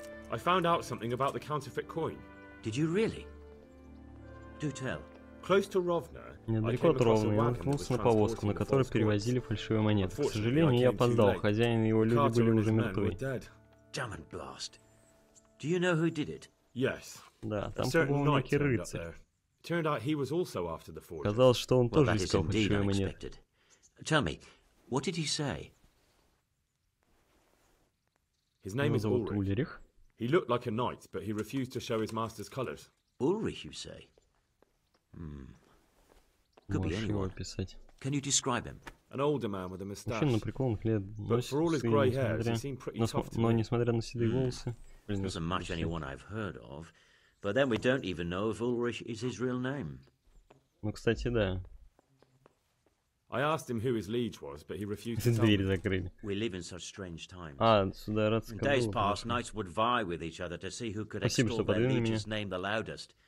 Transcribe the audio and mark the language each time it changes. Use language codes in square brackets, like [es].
[en] I found out something about the counterfeit coin. Did you really? Do tell. Close to Ровной. [ru] Недалеко от Ровной я наткнулся на повозку, на которой перевозили фальшивые монеты. К сожалению, я опоздал. Хозяин и его люди были уже мертвы. [en] Damn blast. Do you know who did it? Yes. [ru] Да, там, по-моему, некий рыцарь. [en] Turned out he was also after the forgery. [ru] Казалось, что он тоже искал фальшивые монеты. [en] Tell me, what did he say? His name is Ульрих. He looked like a knight, but he refused to show his master's colors. Ульрих, you say? Could be anyone. Can you describe him? An older man with a mustache. [ru] Мужчина приколных лет, но несмотря на седые волосы, [en] doesn't match anyone I've heard of. But then we don't even know if Ulrich is his real name. [ru] Ну, кстати, да. [en] I asked him who his liege was, but he refused to tell. We live in such strange times. [ru] А, сюда рад сказал. [en] In days past, knights would vie with each other to see who could extol their liege's name the loudest.